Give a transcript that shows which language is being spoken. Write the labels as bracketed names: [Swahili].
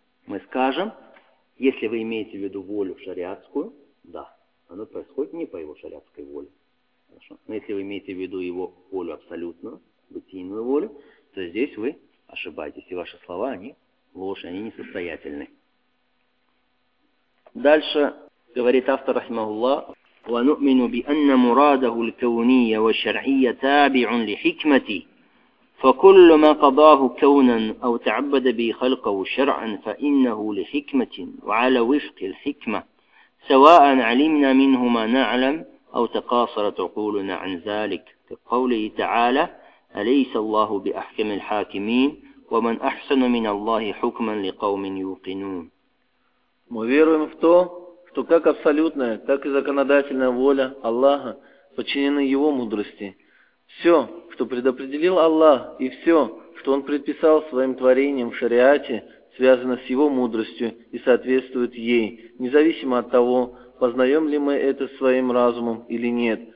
[Russian] Мы скажем, если вы имеете в виду волю шариатскую, да, оно происходит не по его шариатской воле. Хорошо. Но если вы имеете в виду его волю абсолютную, бытийную волю, то здесь вы ошибаетесь, и ваши слова, они ложь, они несостоятельны. Дальше говорит автор, [Arabic] рахимахуллах, وَنُؤْمِنُ بِأَنَّ مُرَادَهُ الْكَوْنِيَّ وَشَرْعِيَّ تَابِعٌ لِحِكْمَتِي فَكُلُّ مَا قَضَاهُ كَوْنًا أَوْ تَعَبَّدَ بِي خَلْقَهُ شَرْعًا فَإِنَّهُ لِحِكْمَةٍ وَعَلَى وِفْقِ الْحِكْمَةِ سَوَاءً عَلِمْنَا مِنْهُ مَا نَعْلَمْ أَوْ تَقَاصَرَتْ عُقُولُنَا عَنْ ذَلِكَ كَقَوْلِهِ تَعَالَى أليس الله بأحكم الحاكمين ومن أحسن من الله حكما لقوم يوقنون. [Russian] Мы веруем в то, что что как абсолютная, так и законодательная воля Аллаха подчинена Его мудрости. Все, что предопределил Аллах, и все, что Он предписал своим творением в шариате, связано с Его мудростью и соответствует ей, независимо от того, познаем ли мы это своим разумом или нет.